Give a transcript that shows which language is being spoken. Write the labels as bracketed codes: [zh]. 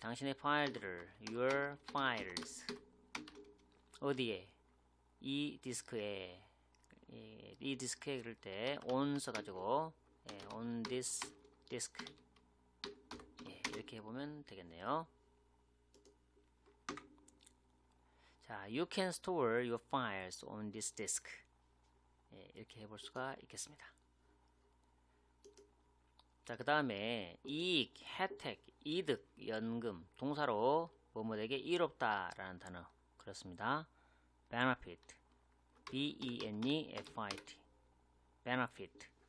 [ko] 당신의 파일들을 [en] your files [ko] 어디에? 이 디스크에. 이 디스크에 그럴 때 on 써가지고 예, [en] on this disk. [ko] 이렇게 해보면 되겠네요. [en] 자, you can store your files on this disk. [ko] 예, 이렇게 해볼 수가 있겠습니다. 자, 그 다음에 이익, 혜택, 이득, 연금, 동사로 뭐뭐에게 이롭다라는 단어. [en] 그렇습니다. benefit, benefit, benefit.